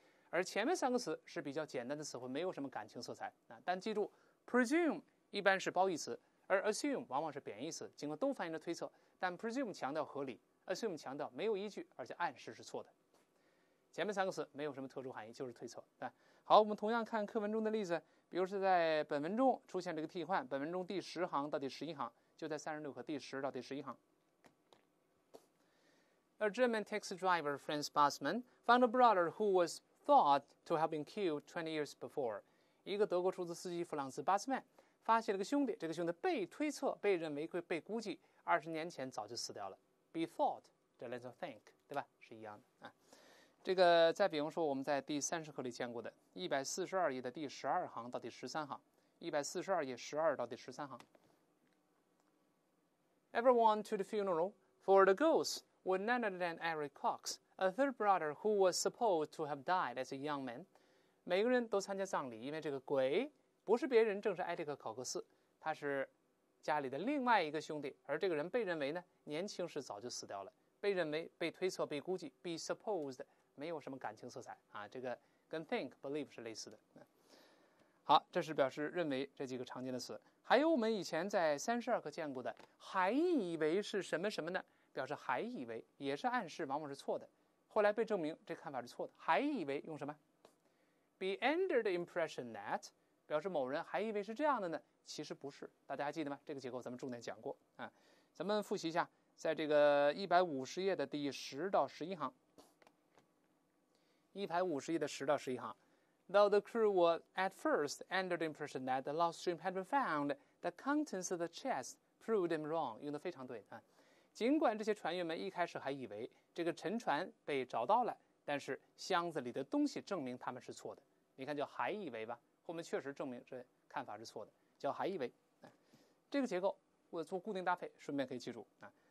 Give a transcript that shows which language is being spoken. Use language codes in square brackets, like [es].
[zh] 而前面三个词是比较简单的词汇，没有什么感情色彩、啊、但记住 presume 一般是褒义词，而 assume 往往是贬义词，尽管都反映了推测，但 presume 强调合理， assume 强调没有依据而且暗示是错的。前面三个词没有什么特殊含义，就是推测，对。好，我们同样看课文中的例子，比如是在本文中出现这个替换，本文中第十行到第十一行，就在36课第十到第十一行。 [en] A German taxi driver, Franz Bassmann, found a brother who was thought to have been killed 20 years before. [zh] 一个德国出租司机弗朗茨·巴斯曼发现了个兄弟，这个兄弟被推测、被认为、被估计20年前早就死掉了。 [en] Be thought, [zh] 这连词 think, 对吧？是一样的、啊，这个再比如说我们在第30课里见过的142页的第12行到第13行，142页12到第13行。 [en] Everyone to the funeral for the ghost was none other than Eric Cox, a third brother who was supposed to have died as a young man. [zh] 每个人都参加葬礼，因为这个鬼不是别人，正是艾利克·考克斯，他是家里的另外一个兄弟，而这个人被认为呢年轻时早就死掉了，被认为、被推测、被估计， [en] be supposed， [zh] 没有什么感情色彩啊，这个跟 think believe 是类似的。好，这是表示认为这几个常见的词，还有我们以前在32课见过的还以为是什么什么呢，表示还以为也是暗示往往是错的，后来被证明这看法是错的，还以为用什么 [en] be under the impression that， [zh] 表示某人还以为是这样的呢，其实不是，大家还记得吗？这个结构咱们重点讲过啊，咱们复习一下，在这个150页的第10到11行，150页的十到十一行。 [en] Though the crew were at first under the impression that the lost stream had been found, the contents of the chest proved them wrong. [zh] 用的非常对啊！尽管这些船员们一开始还以为这个沉船被找到了，但是箱子里的东西证明他们是错的。你看，叫还以为吧，后面确实证明这看法是错的，叫还以为。啊、这个结构我做固定搭配，顺便可以记住啊。